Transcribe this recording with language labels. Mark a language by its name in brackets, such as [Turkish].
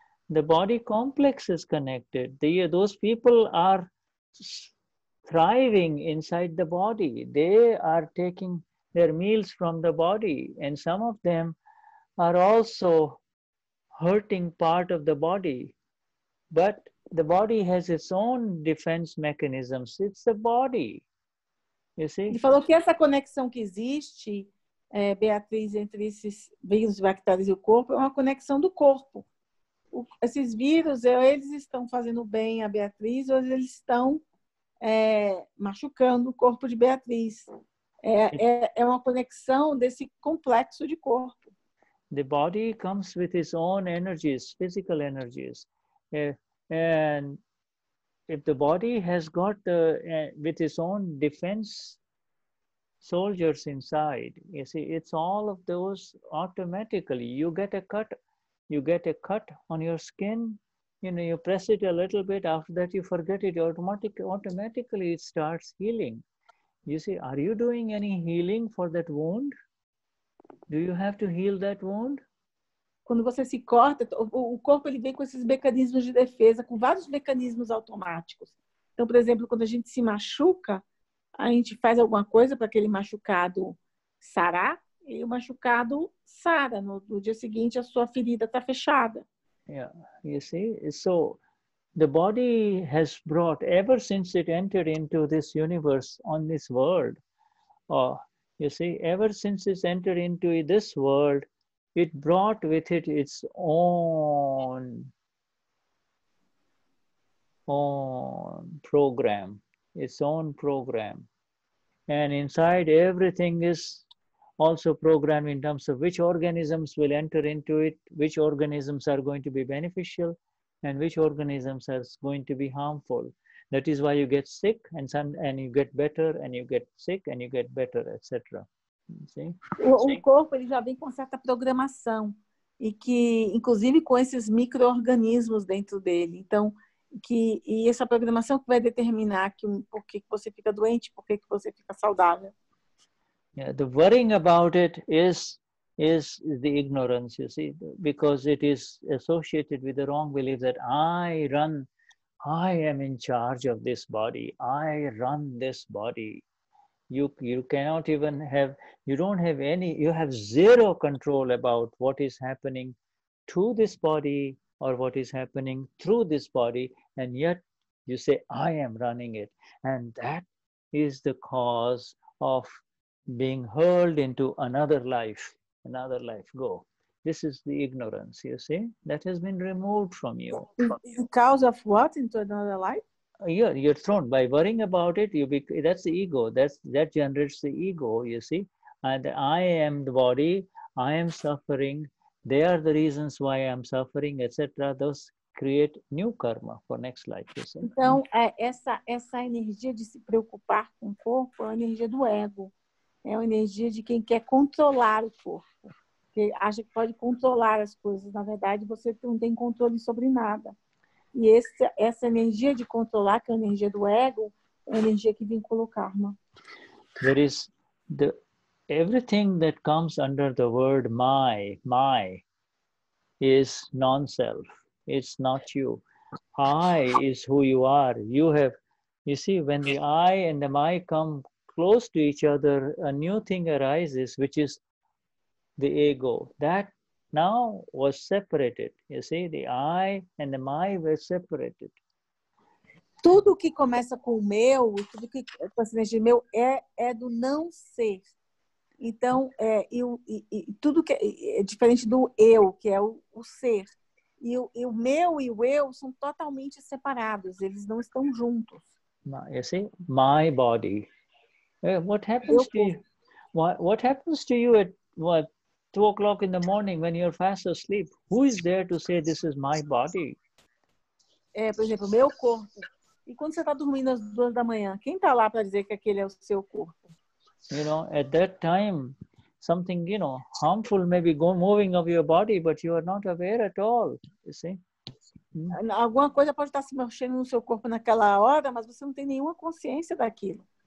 [English] The body complex is connected. Those people are thriving inside the body. They are taking their meals from the body, and some of them are also hurting part of the body. But the body has its own defense mechanisms. It's the body, you see. [Portuguese] Ele falou que essa conexão que existe, Beatriz, entre esses vírus, bactérias e o corpo, é uma conexão do corpo. Esses vírus, eles estão fazendo bem a Beatriz, ou eles estão machucando o corpo de Beatriz. É uma conexão desse complexo de corpo. [English] The body comes with its own energies, physical energies. And if the body has got with its own defense soldiers inside, you see, it's all of those automatically. You get a cut on your skin. You know, you press it a little bit, after that you forget it, automatically it starts healing. You see, are you doing any healing for that wound? Do you have to heal that wound? [Portuguese] Quando você se corta, o corpo ele vem com esses mecanismos de defesa, com vários mecanismos automáticos. Então, por exemplo, quando a gente se machuca, a gente faz alguma coisa para aquele machucado sarar, e o machucado sara. No dia seguinte, a sua ferida está fechada. [English] Yeah, you see, so the body has brought, ever since it entered into this universe on this world, you see, ever since it's entered into this world, it brought with it its own program, and inside everything is also programmed in terms of which organisms will enter into it, which organisms are going to be beneficial, and which organisms are going to be harmful. That is why you get sick, and you get better, and you get sick, and you get better, etc. [Portuguese] O corpo ele já vem com certa programação. e que, inclusive, com esses micro-organismos dentro dele. Então, e essa programação que vai determinar por que você fica doente, por que você fica saudável. [English] Yeah, the worrying about it is the ignorance, you see, because it is associated with the wrong belief that I am in charge of this body, I run this body. You cannot even have, you don't have any, you have zero control about what is happening to this body or what is happening through this body, and yet you say, I am running it. And that is the cause of being hurled into another life, go. This is the ignorance, you see, that has been removed from you. The cause of what into another life? You're thrown by worrying about it. That's the ego. That generates the ego, you see. And I am the body. I am suffering. They are the reasons why I am suffering, etc. Those create new karma for next life, you see. [Portuguese] Então, essa energia de se preocupar com o corpo é a energia do ego. É a energia de quem quer controlar o corpo. Que acha que pode controlar as coisas. Na verdade, você não tem controle sobre nada. E essa energia de controlar, que é a energia do ego, é a energia que vincula o karma. [English] There is everything that comes under the word my is non-self. It's not you. I is who you are. You see, when the I and the my come close to each other, a new thing arises, which is the ego. That now was separated. You see, the I and the my were separated. [Portuguese] Tudo que começa com o meu, tudo que começa com o meu, é do não ser. Então, tudo que é diferente do eu, que é o ser. E o meu e o eu são totalmente separados. Eles não estão juntos. [English] You see, my body. What happens to you at what? 2 o'clock in the morning when you're fast asleep, who is there to say this is my body? [Portuguese] Por exemplo, meu corpo. E quando você está dormindo às 2 da manhã, quem está lá para dizer que aquele é o seu corpo? [English] You know, at that time, something, you know, harmful may be moving of your body, but you are not aware at all, you see? [Portuguese] Alguma coisa pode estar se mexendo no seu corpo naquela hora, mas você não tem nenhuma consciência daquilo.